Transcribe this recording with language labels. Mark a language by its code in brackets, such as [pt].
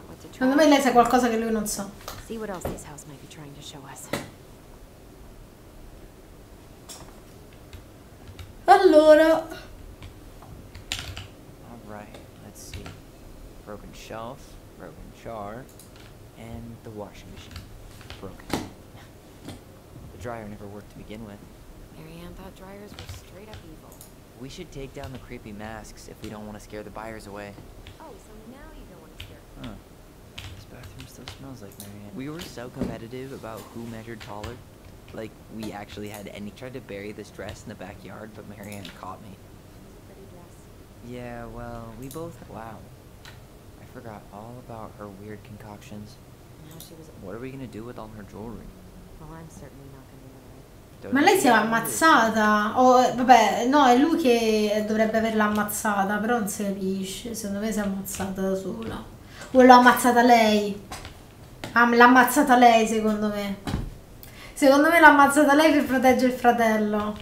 [it] Secondo me lei sa qualcosa che lui non sa. [en] See what else this house might be trying to show us. [it] Allora. [en] All right, let's see. Broken shelf, broken char, and the washing machine. Broken. The dryer never worked to begin with. Marianne thought dryers were straight up evil. We should take down the creepy masks if we don't want to scare the buyers away. Oh, so now you don't want to scare them. Huh. Bathroom still smells like Marianne. We were so competitive about who measured taller. Like, we actually had any. Tried to bury this dress in the backyard, but Marianne caught me. It's a pretty dress. Yeah, well, we both. Wow. I forgot all about her weird concoctions. And how she was. What are we gonna do with all her jewelry? Well, I'm certainly not gonna wear it. [it] Ma lei si è ammazzata? O, vabbè, no, è lui che dovrebbe averla ammazzata, però non si capisce. Secondo me si è ammazzata da sola. O l'ha ammazzata lei? L'ha ammazzata lei, secondo me. Secondo me l'ha ammazzata lei per proteggere il fratello.